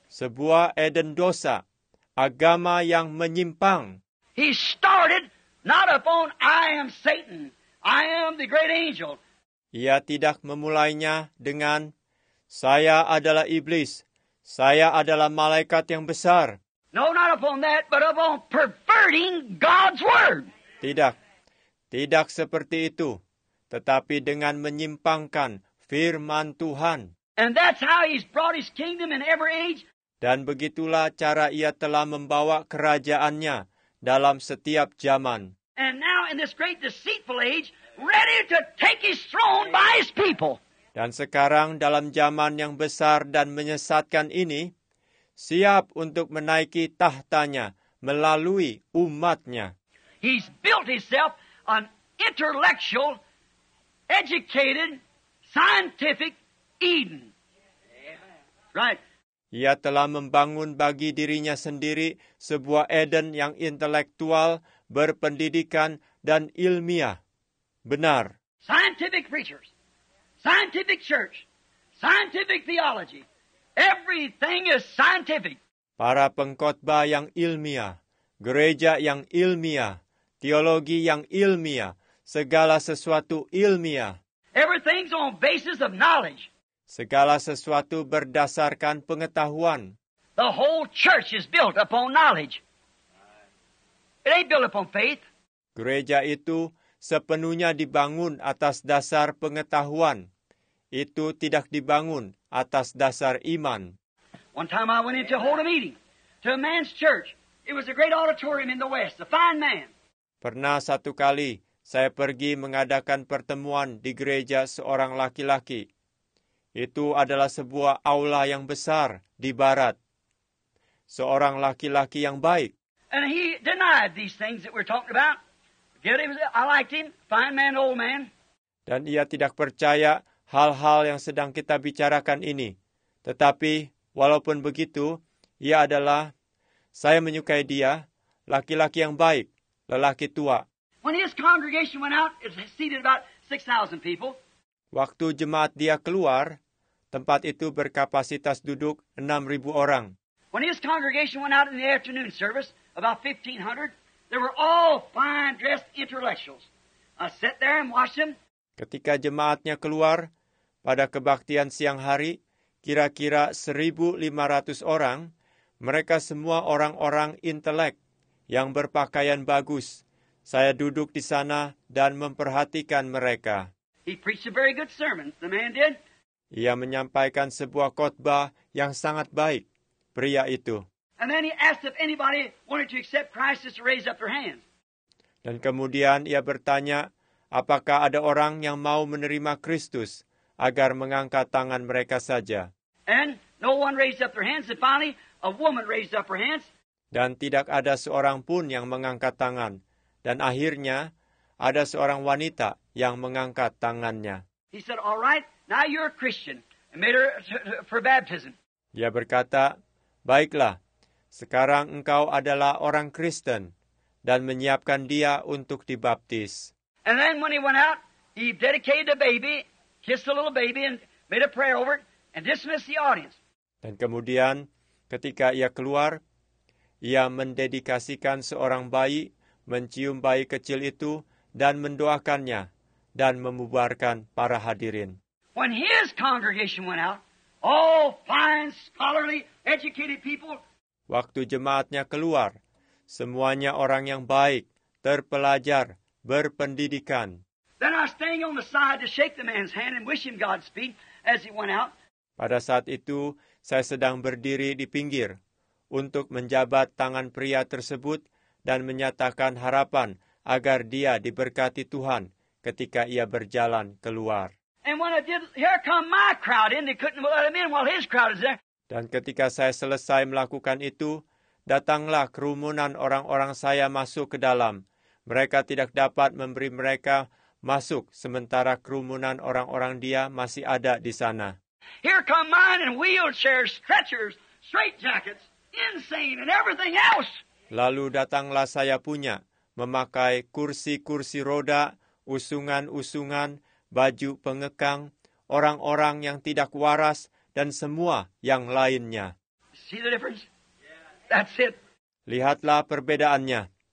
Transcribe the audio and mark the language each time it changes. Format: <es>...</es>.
<id>Sebuah Eden dosa, agama yang menyimpang.</id> <en>He started not upon I am Satan, I am the great angel.</en> <id>Ia tidak memulainya dengan saya adalah iblis, saya adalah malaikat yang besar.</id> <en>No, not upon that, but upon perverting God's word.</en> <id>Tidak seperti itu, tetapi dengan menyimpangkan firman Tuhan.</id> <en>And that's how he's brought his kingdom in every age.</en> <id>Dan begitulah cara ia telah membawa kerajaannya dalam setiap zaman.</id> <en>And now in this great deceitful age, ready to take his throne by his people.</en> <id>Dan sekarang dalam zaman yang besar dan menyesatkan ini, siap untuk menaiki tahtanya melalui umatnya.</id> <en>He's built himself an intellectual, educated, scientific Eden. Right.</en> <id>Ia telah membangun bagi dirinya sendiri sebuah Eden yang intelektual, berpendidikan, dan ilmiah. Benar.</id> <en>Scientific preachers, scientific church, scientific theology. Everything is scientific.</en> <id>Para pengkhotbah yang ilmiah, gereja yang ilmiah, teologi yang ilmiah, segala sesuatu ilmiah.</id> <en>Everything's on basis of knowledge.</en> <id>Segala sesuatu berdasarkan pengetahuan.</id> <en>The whole church is built upon knowledge. It ain't built upon faith.</en> <id>Gereja itu sepenuhnya dibangun atas dasar pengetahuan. Itu tidak dibangun atas dasar iman.</id> <en>One time I went in to hold a meeting to a man's church. It was a great auditorium in the West, a fine man.</en> <id>Pernah satu kali saya pergi mengadakan pertemuan di gereja seorang laki-laki. Itu adalah sebuah aula yang besar di barat. Seorang laki-laki yang baik.</id> <en>And he denied these things that we're talking about. I liked him, fine man, old man.</en> <id>Dan ia tidak percaya hal-hal yang sedang kita bicarakan ini. Tetapi walaupun begitu, ia adalah, saya menyukai dia, laki-laki yang baik, lelaki tua.</id> <en>When his congregation went out, it seated about 6,000 people.</en> <id>Waktu jemaat dia keluar, tempat itu berkapasitas duduk 6,000 orang.</id> <en>When his congregation went out in the afternoon service, about 1,500, they were all fine-dressed intellectuals. I sat there and watched them.</en> <id>Ketika jemaatnya keluar, pada kebaktian siang hari, kira-kira 1,500 orang, mereka semua orang-orang intelek yang berpakaian bagus. Saya duduk di sana dan memperhatikan mereka.</id> <en>He preached a very good sermon, the man did.</en> <id>Ia menyampaikan sebuah khotbah yang sangat baik, pria itu.</id> <en>And then he asked if anybody wanted to accept Christ to raise up their hands.</en> <id>Dan kemudian ia bertanya, apakah ada orang yang mau menerima Kristus agar mengangkat tangan mereka saja?</id> <en>And no one raised up their hands. And finally, a woman raised up her hands.</en> <id>Dan tidak ada seorang pun yang mengangkat tangan. Dan akhirnya, ada seorang wanita yang mengangkat tangannya.</id> <en>He said, "All right, now you're a Christian." And made her for baptism.</en> <id>Dia berkata, "Baiklah, sekarang engkau adalah orang Kristen," dan menyiapkan dia untuk dibaptis.</id> <en>And then when he went out, he dedicated the baby, kissed the little baby, and made a prayer over it, and dismissed the audience.</en> <id>Dan kemudian, ketika ia keluar, ia mendedikasikan seorang bayi, mencium bayi kecil itu, dan mendoakannya, dan membubarkan para hadirin.</id> <en>When his congregation went out, all fine, scholarly, educated people.</en> <id>Waktu jemaatnya keluar, semuanya orang yang baik, terpelajar, berpendidikan.</id> <en>Then I stayed on the side to shake the man's hand and wish him Godspeed as he went out.</en> <id>Pada saat itu, saya sedang berdiri di pinggir untuk menjabat tangan pria tersebut dan menyatakan harapan agar dia diberkati Tuhan ketika ia berjalan keluar.</id> <en>And when I did, here come my crowd in. They couldn't let him in while his crowd is there.</en> <id>Dan ketika saya selesai melakukan itu, datanglah kerumunan orang-orang saya masuk ke dalam. Mereka tidak dapat memberi mereka masuk sementara kerumunan orang-orang dia masih ada di sana.</id> <en>Here come mine in wheelchairs, stretchers, straitjackets, insane and everything else.</en> <id>Lalu datanglah saya punya, memakai kursi-kursi roda, usungan-usungan, baju pengekang, orang-orang yang tidak waras, dan semua yang lainnya.</id> <en>See the difference? That's it.</en> <id>Lihatlah perbedaannya.</id>